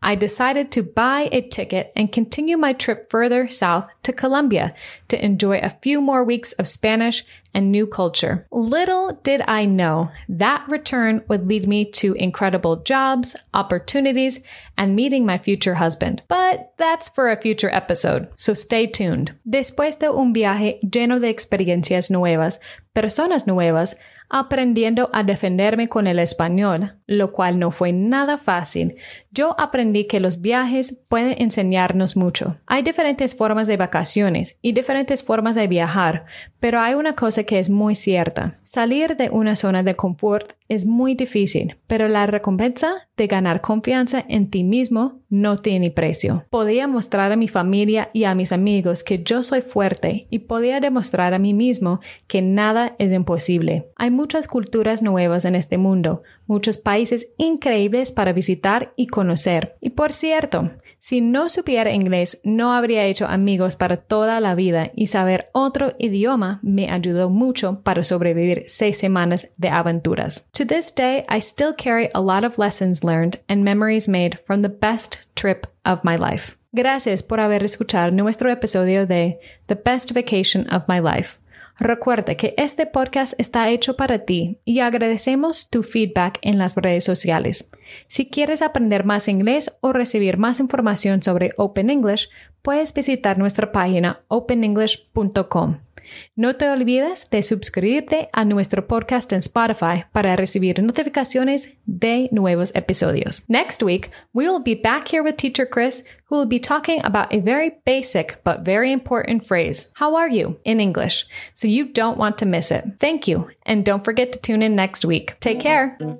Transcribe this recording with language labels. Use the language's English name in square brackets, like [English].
[English] I decided to buy a ticket and continue my trip further south to Colombia to enjoy a few more weeks of Spanish and new culture. Little did I know that return would lead me to incredible jobs, opportunities, and meeting my future husband. But that's for a future episode, so stay tuned. [Spanish] Después de un viaje lleno de experiencias nuevas, personas nuevas, aprendiendo a defenderme con el español, lo cual no fue nada fácil, yo aprendí que los viajes pueden enseñarnos mucho. Hay diferentes formas de vacaciones y diferentes formas de viajar, pero hay una cosa que es muy cierta. Salir de una zona de confort es muy difícil, pero la recompensa de ganar confianza en ti mismo no tiene precio. Podía mostrar a mi familia y a mis amigos que yo soy fuerte y podía demostrar a mí mismo que nada es imposible. Hay muchas culturas nuevas en este mundo, muchos países países increíbles para visitar y conocer. Y por cierto, si no supiera inglés, no habría hecho amigos para toda la vida, y saber otro idioma me ayudó mucho para sobrevivir 6 semanas de aventuras. [English] To this day, I still carry a lot of lessons learned and memories made from the best trip of my life. [Spanish] Gracias por haber escuchado nuestro episodio de The Best Vacation of My Life. Recuerda que este podcast está hecho para ti y agradecemos tu feedback en las redes sociales. Si quieres aprender más inglés o recibir más información sobre Open English, puedes visitar nuestra página openenglish.com. No te olvides de suscribirte a nuestro podcast en Spotify para recibir notificaciones de nuevos episodios. [English] Next week, we will be back here with Teacher Chris, who will be talking about a very basic but very important phrase, how are you, in English, so you don't want to miss it. Thank you, and don't forget to tune in next week. Take care!